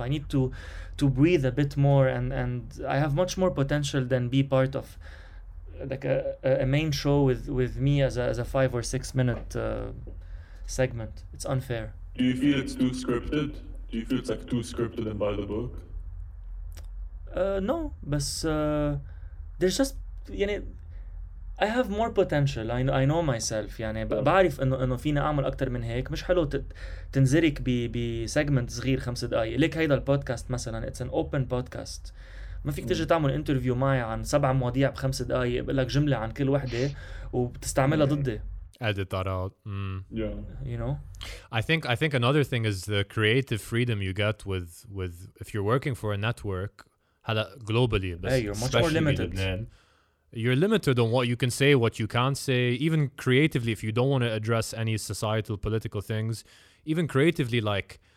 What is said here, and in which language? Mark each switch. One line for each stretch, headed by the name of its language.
English: I need to breathe a bit more and I have much more potential than be part of like a main show with me as a 5 or 6 minute segment. It's unfair. Do you feel it's too scripted? Do you feel it's like too scripted and by the book? No, but there's just, you know, I have more potential. I know myself.
Arabic: يعني بعرف إنه فينا أعمل أكتر من هيك. مش حلو تنزرك ب segment صغير 5 دقايق. ليك هيدا البودكاست مثلاً.
English: It's an open podcast.
Arabic: ما فيك تجي تعمل interview معي عن 7 مواضيع ب5 دقايق. بقولك جملة عن كل واحدة وبتستعملها ضدي.
English: Edit that out. Yeah. You know. I think another thing is the creative freedom you get with if you're working for a network.
Arabic: هلا
English: globally. Hey, you're much more limited. You're limited on what you can say, what you can't say, even creatively, if you don't want to address any societal, political things, even creatively, like,